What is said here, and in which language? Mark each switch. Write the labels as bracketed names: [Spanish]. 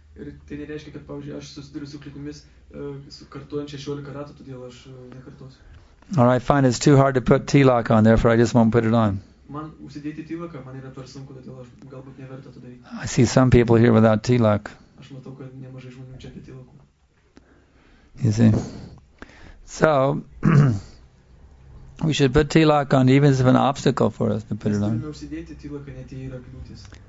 [Lithuanian] Ir tai nereiškia, kad, pavyzdžiui, aš susiduriu su kliūtimis, kartuojant 16 ratų, todėl aš nekartosiu. [English] Or I find it's too hard to put T-lock on, therefore I just won't put it on. [Lithuanian] Man užsidėti T-locką, man yra per sunku, todėl aš galbūt neverta to daryti. [English] I see some people here without T-lock. [Lithuanian] Aš matau, kad nemažai žmonių čia apie T-locką. [English] You see? So, we should put T-lock on, even if it's an obstacle for us to put it on. [Lithuanian] Mes turime užsidėti T-locką, net jei yra kliūtis.